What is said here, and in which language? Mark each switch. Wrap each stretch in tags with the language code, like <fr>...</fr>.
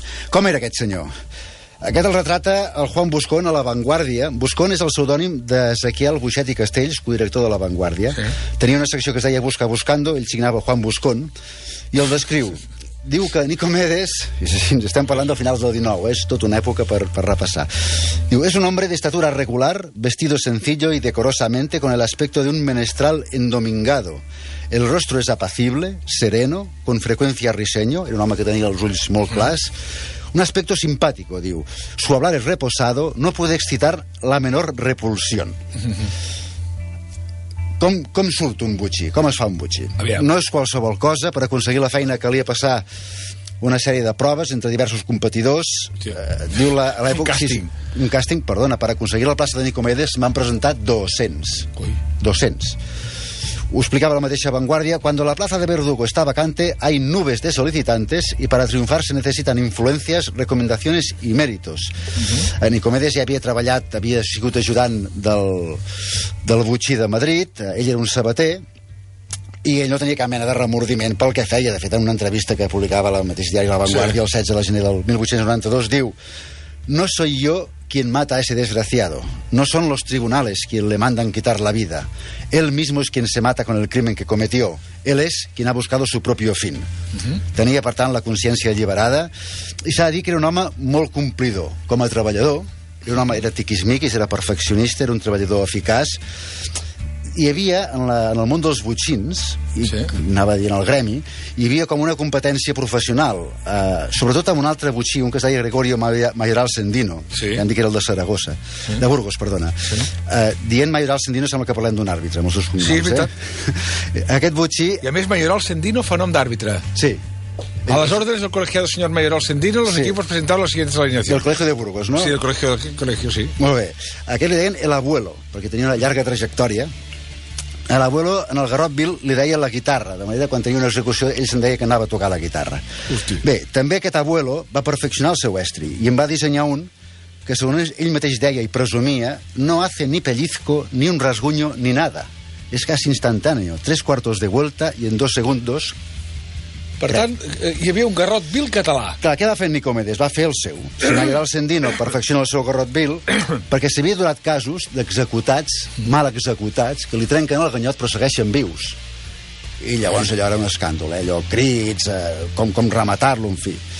<ca>Com era aquest senyor? Aquest el retrata el Juan Buscón a La Vanguardia. Buscón és el pseudònim d'Ezequiel Buixet i Castells, codirector de La Vanguardia. Sí. Tenia una secció que es deia Busca Buscando, ell signava Juan Buscón, i el descriu. Diu que Nicomedes, ens estem parlant del final del 19, és tota una època per repassar. Diu, és un</ca> <es>hombre de estatura regular, vestido sencillo y decorosamente, con el aspecto de un menestral endomingado. El rostro es apacible, sereno, con frecuencia risueño,</es> <ca>era un home que tenia els ulls molt clars.</ca> <es>Un aspecto simpático, diu. Su hablar es reposado, no puede excitar la menor repulsión.</es> <ca>Com surt un butxí? Com es fa un butxí? No és qualsevol cosa. Per aconseguir la feina calia passar una sèrie de proves entre diversos competidors. Diu l'època... Un càsting, perdona. Per aconseguir la plaça de Nicomedes m'han presentat 200. Ui. 200. Ho explicava la mateixa Vanguardia.</ca> <es>Cuando la plaza de Verdugo está vacante, hay nubes de solicitantes y para triunfar se necesitan influencias, recomendaciones y méritos.</es> <ca>A Nicomedes ja havia treballat, havia sigut ajudant del butxí de Madrid. Ell era un sabater i ell no tenia cap mena de remordiment pel que feia. De fet, en una entrevista que publicava la mateixa diària La Vanguardia, sí, el 16 de gener del 1892, diu,</ca> <es>no soy yo quien mata a ese desgraciado. No son los tribunales quien le mandan quitar la vida. Él mismo es quien se mata con el crimen que cometió. Él es quien ha buscado su propio fin.</es> <ca>Tenia, per tant, la consciència alliberada i s'ha de dir que era un home molt complidor com a treballador. Era un home, era tiquismiquis, era perfeccionista, era un treballador eficaç. Hi havia, en el món dels butxins, i sí, anava a dir en el gremi, hi havia com una competència professional, sobretot amb un altre butxí, un que es deia Gregorio Mayoral Sendino, sí, que en dic que era el de Saragossa, sí, de Burgos, perdona. Sí. Dient Mayoral Sendino sembla que parlem d'un àrbitre, amb els seus cognoms. Sí, és veritat. Aquest butxí... I a més, Mayoral Sendino fa nom d'àrbitre. Sí. A les ordres del col·legio del senyor Mayoral Sendino,</ca> <es>los, sí, equipos presentaron las siguientes alineaciones.</es> <ca>Del col·legio de Burgos, no? Sí, del col·legio, sí. Molt bé. Aquest li deien el abuelo, perquè tenia una llarga trajectòria. A l'abuelo, en el Garrot Vil, li deia la guitarra, de manera que quan tenia una execució, ell se'n deia que anava a tocar la guitarra. Hosti. Bé, també aquest abuelo va perfeccionar el seu estri i en va dissenyar un que, segons ell mateix deia i presumia,</ca> <es>no hace ni pellizco, ni un rasguño, ni nada.</es> <ca>És quasi instantàneo. Tres quartos de vuelta i en dos segundos... Per tant, hi havia un Garrot Vil català. Clar, què va fer Nicomedes? Va fer el seu. Si Mayoral Sendino perfecciona el seu Garrot Vil, perquè s'havia donat casos d'executats, mal executats, que li trenquen el ganyot però segueixen vius. I llavors allò era un escàndol, eh? Allò, crits, com rematar-lo, en fi.</ca>